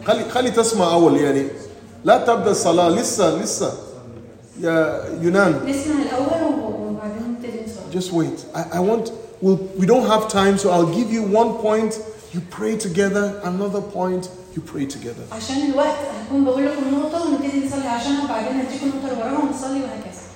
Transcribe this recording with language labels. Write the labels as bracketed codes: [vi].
[ar] خلي تسمع أول يعني لا تبدأ الصلاة لسه يا يونان نسمع الأول وبعدين تبدأ [en] just wait I want we don't have time so I'll give you one point you pray together another point you pray together [ar] عشان الوقت هكون بقول لكم نقطة ونبتدي نصلي عشانها وبعدين هديكم نقطة لورا ونصلي وهكذا